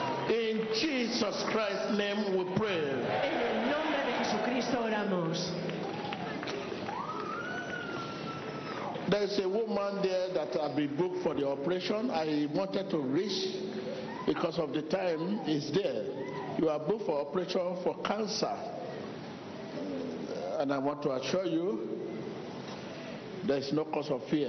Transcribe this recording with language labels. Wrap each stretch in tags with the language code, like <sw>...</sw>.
<en>In Jesus Christ's name we pray.</en> <es>En el nombre de Jesucristo oramos.</es> <en>There is a woman there that has been booked for the operation. I wanted to reach because of the time is there. You are booked for operation for cancer. And I want to assure you, there is no cause of fear.</en>